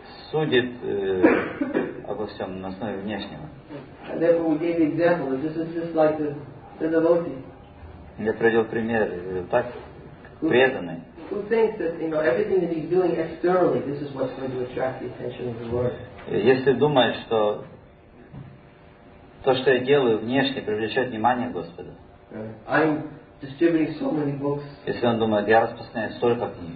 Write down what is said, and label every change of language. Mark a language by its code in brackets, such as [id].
[ru] Судит обо всем на основе внешнего. [en] And therefore we gave the example. This is just like the devotee. [ru] Я привел пример так преданный. [en] Who thinks that you know everything that he's doing externally, this is what's going to attract the attention of the Lord? [ru] Если думает, что то, что я делаю внешне, привлечет внимание Господа. [en] Distributing so many books. [ru] Если он думает, я распространяю столько книг.